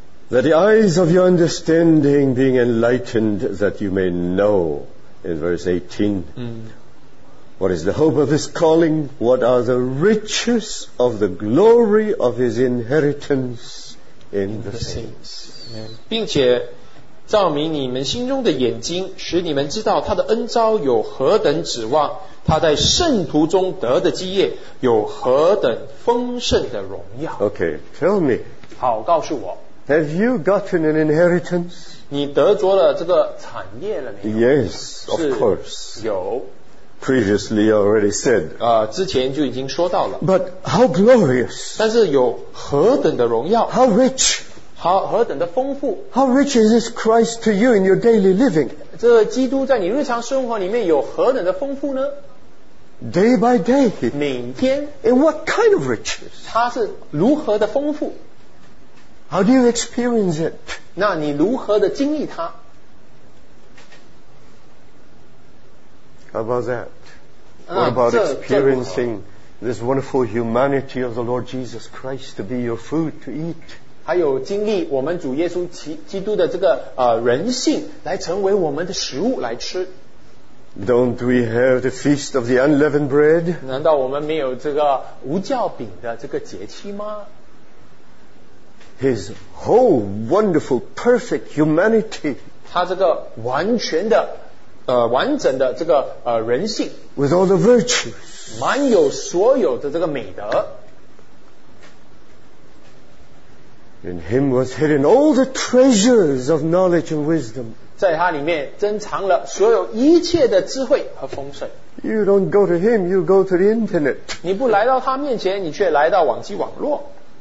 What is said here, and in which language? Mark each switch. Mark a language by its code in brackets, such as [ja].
[en] That the eyes of your understanding being enlightened, that you may know, in verse 18, what is the hope of his calling, what are the riches of the glory of his inheritance in the saints. [zh] 并且照明你们心中的眼睛，使你们知道他的恩召有何等指望，他在圣徒中得的基业有何等丰盛的荣耀。 [en] OK, tell me, [zh] 好，告诉我， [en] Have you gotten an inheritance? [zh] 你得着了这个产业了没有？ [en] Yes, of course, [zh] 有。 [en] Previously already said. [zh] 啊，之前就已经说到了。 [en] But how glorious! [zh] 但是有何等的荣耀？ [en] How rich! [zh] 好，何等的丰富？ [en] How rich is this Christ to you in your daily living? [zh] 这基督在你日常生活里面有何等的丰富呢？ [en] Day by day. [zh] 每天。 [en] In what kind of riches? [zh] 它是如何的丰富？ [en] How do you experience it? [zh] 那你如何的经历它？ [en] How about that? What about experiencing this wonderful humanity of the Lord Jesus Christ to be your food to eat? [zh] 还有经历我们主耶稣基督的这个人性来成为我们的食物来吃。 [en] Don't we have the feast of the unleavened bread? [zh] 难道我们没有这个无酵饼的这个节期吗？ [en] His whole wonderful perfect humanity. [zh] 他这个完全的完整的这个人性 [en] with all the virtues, [zh] 满有所有的这个美德。 [en] In him was hidden all the treasures of knowledge and wisdom, [zh] 在他里面珍藏了所有一切的智慧和丰盛。 [en] You don't go to him, you go to the internet. [zh] 你不来到他面前，你却来到网际网络。